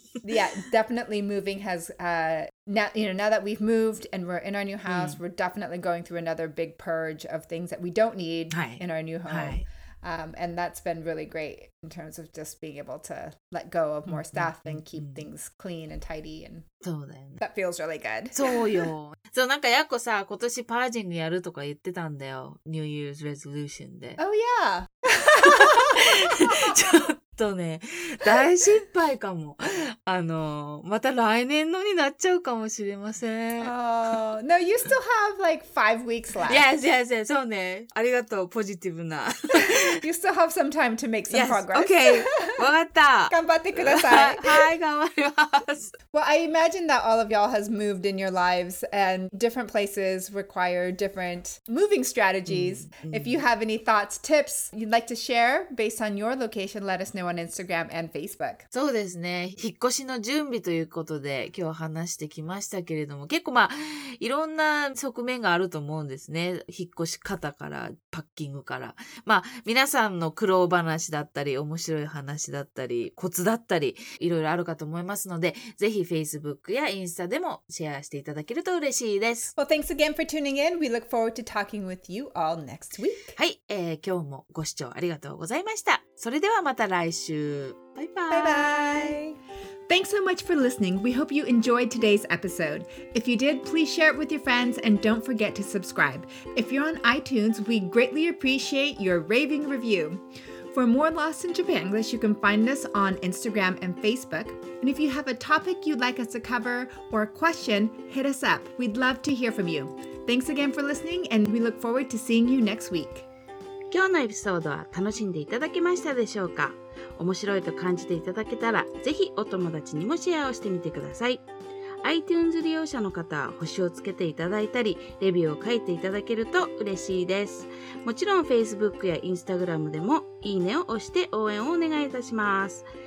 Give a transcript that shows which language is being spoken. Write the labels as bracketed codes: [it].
[en] Yeah, definitely moving has, now, you know, now that we've moved and we're in our new house, we're definitely going through another big purge of things that we don't need in our new home. And that's been really great in terms of just being able to let go of more stuff and keep things clean and tidy. And [ja] そうだよね。 [en] That feels really good. [ja] そうよ。そう、なんかやっこさ、今年パージングやるとか言ってたんだよ。 [en] New Year's Resolution で。 Oh, yeah! [ja] ちょっとね、大失敗かも。また来年のになっちゃうかもしれません。 [en] Oh, no, you still have like 5 weeks left. Yes, yes, yes. [ja] そうね。ありがとう、ポジティブな。 [en] You still have some time to make some yes, progress. [ja] Okay, わかった。頑張ってください。はい、頑張ります。 [en] Well, I imagine that all of y'all has moved in your lives and different places require different moving strategies. If you have any thoughts, tips you'd like to share based on your location, let us know on Instagram and Facebook. [ja] そうですね。引っ越しの準備ということで今日話してきましたけれども、結構まあ、いろんな側面があると思うんですね。引っ越し方から、パッキングから。まあ、皆さんの苦労話だったり、面白い話だったり、コツだったり、いろいろあるかと思いますので、ぜひ Facebook やインスタでもシェアしていただけると嬉しいです。 [en] Well, thanks again for tuning in. We look forward to talking with you all next week. [ja] はい、今日もご視聴ありがとうございました。それではまた来週。バイバイ。 [en] バイバイ。Thanks so much for listening. We hope you enjoyed today's episode. If you did, please share it with your friends and don't forget to subscribe. If you're on iTunes, we greatly appreciate your raving review. For more Lost in Japan English, you can find us on Instagram and Facebook. And if you have a topic you'd like us to cover or a question, hit us up. We'd love to hear from you. Thanks again for listening and we look forward to seeing you next week. [ja] 今日のエピソードは楽しんでいただけましたでしょうか?面白いと感じていただけたら、ぜひお友達にもシェアをしてみてください。 iTunes 利用者の方は星をつけていただいたり、レビューを書いていただけると嬉しいです。もちろん Facebook や Instagram でもいいねを押して応援をお願いいたします。